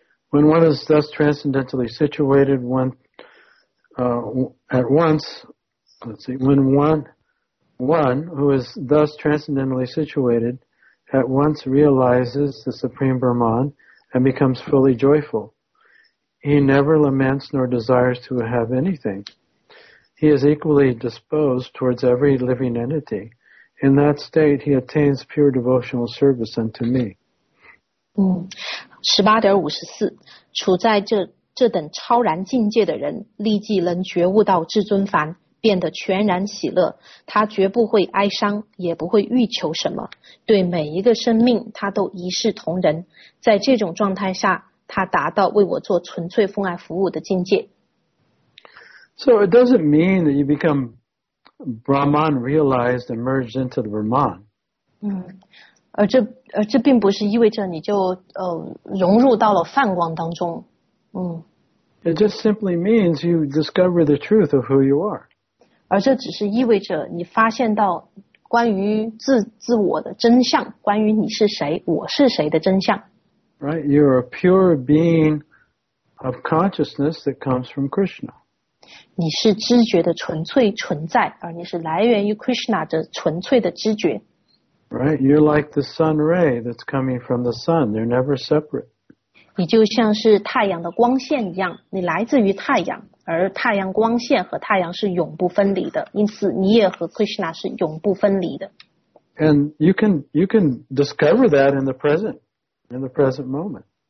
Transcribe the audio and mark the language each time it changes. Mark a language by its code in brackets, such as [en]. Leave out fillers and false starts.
[en] When one is thus transcendentally situated, one who is thus transcendentally situated at once realizes the Supreme Brahman and becomes fully joyful. He never laments nor desires to have anything. He is equally disposed towards every living entity. In that state, he attains pure devotional service unto me. [zh] 18.54 处在这等超然境界的人，立即能觉悟到至尊凡，变得全然喜乐。他绝不会哀伤，也不会欲求什么。对每一个生命，他都一视同仁。在这种状态下，他达到为我做纯粹奉爱服务的境界。 [en] So it doesn't mean that you become Brahman realized and merged into the Brahman. [zh] 而这并不是意味着你就融入到了梵光当中。 [en] It just simply means you discover the truth of who you are. [zh] 而这只是意味着你发现到关于自我的真相，关于你是谁，我是谁的真相。 [en] Right, you're a pure being of consciousness that comes from Krishna. [zh] 你是知觉的纯粹存在，而你是来源于 Krishna 的纯粹的知觉。 [en] Right, you're like the sun ray that's coming from the sun. They're never separate. [zh] 你就像是太阳的光线一样，你来自于太阳，而太阳光线和太阳是永不分离的，因此你也和 Krishna 是永不分离的。 [en] And you can discover that in the present moment.